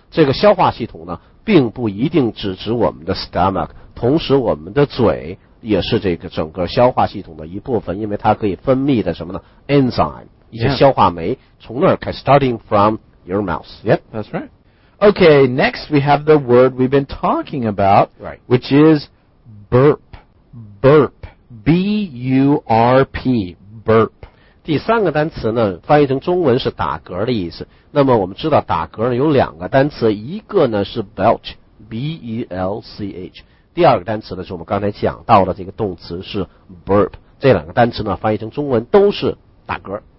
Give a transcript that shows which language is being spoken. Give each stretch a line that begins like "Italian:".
Chinese: 这个消化系统呢，并不一定只指我们的 stomach， 同时我们的嘴也是这个整个消化系统的一部分，因为它可以分泌的什么呢 ？Enzyme， 一些消化酶，
English: yeah.
Chinese: 从那儿开
English: ，starting from your mouth。 Yep, that's right. Okay, next we have the word we've been talking about, right? Which is burp, burp, B-U-R-P, burp.
Chinese: 第三个单词呢翻译成中文是打嗝的意思。那么我们知道打嗝呢有两个单词，一个呢是 belch, B-E-L-C-H。第二个单词呢是我们刚才讲到的这个动词是 burp。这两个单词呢翻译成中文都是打嗝。